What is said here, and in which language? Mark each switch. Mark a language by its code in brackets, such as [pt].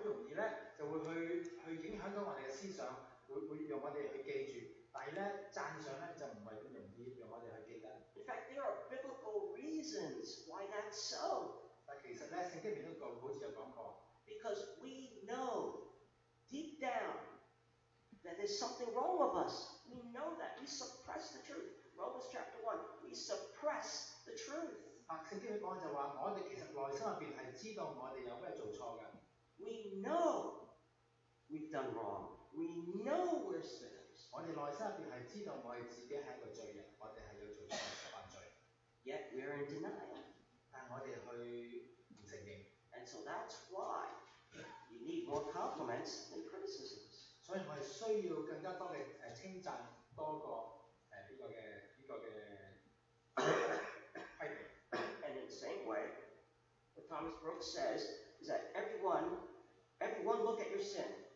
[yue] 將我哋嘅思想會讓我哋去記住，但係咧讚賞咧就唔係咁容易讓我哋去記得。 [en] In fact, there are biblical reasons why that's so. [yue] 但其實咧，聖經裡面都講，好似有講過。 [en] Because we know deep down that there's something wrong with us. We know that we suppress the truth. Romans chapter 1, we suppress the truth. [yue] 聖經裡講就話，我哋其實內心入邊係知道我哋有咩做錯嘅。 [en] We know we've done wrong. We know we're sinners. [yue] 我哋內心入邊係知道我哋自己係一個罪人，我哋係要做錯犯罪。 [en] Yet we're in denial. [yue] 但我哋去唔承認。 [en] And so that's why you need more compliments than criticisms. [yue] 所以我哋需要更加多嘅稱讚多過呢個嘅批評。 [en] And in the same way, what Thomas Brooks says is that everyone look at your sin.